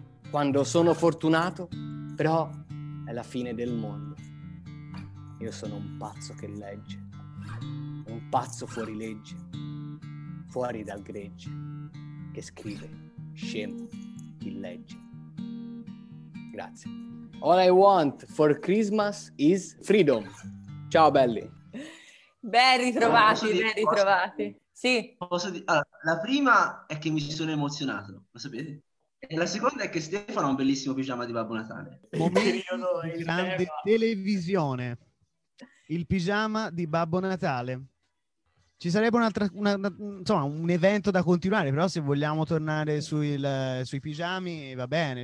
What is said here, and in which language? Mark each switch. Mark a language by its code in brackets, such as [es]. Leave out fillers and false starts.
[it] Quando sono fortunato, però è la fine del mondo. Io sono un pazzo che legge, un pazzo fuori legge, fuori dal gregge, che scrive scemo chi legge. Grazie. [en] All I want for Christmas is freedom. [it] Ciao belli. Ben ritrovati. Sì. Posso dire, allora, la prima è che mi sono emozionato, lo sapete? E la seconda è che Stefano ha un bellissimo pigiama di Babbo Natale. Grande televisione. Il pigiama di Babbo Natale. Ci sarebbe insomma, un evento da continuare, però se vogliamo tornare sui pigiami va bene.